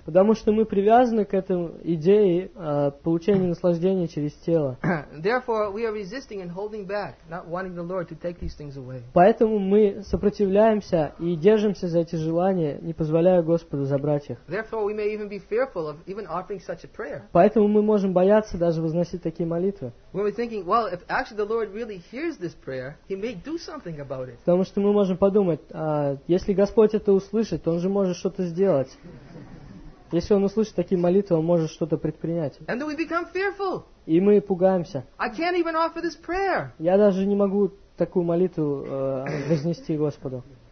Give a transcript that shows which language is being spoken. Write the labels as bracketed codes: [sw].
[ru] Потому что мы привязаны к этой идее получения наслаждения через тело. [en] Therefore, we are resisting and holding back, not wanting the Lord to take these things away. [ru] Поэтому мы сопротивляемся и держимся за эти желания, не позволяя Господу забрать их. [en] Therefore, we may even be fearful of even offering such a prayer. [ru] Поэтому мы можем бояться даже возносить такие молитвы. [en] Thinking, well, if actually the Lord really hears this prayer, He may do something about it. [ru] Потому что мы можем подумать, если Господь это услышит, то Он же может что-то сделать. Если Он услышит такие молитвы, Он может что-то предпринять. [en] And we become fearful. [ru] И мы пугаемся. [en] I can't even offer this prayer. [ru] Я даже не могу такую молитву вознести Господу.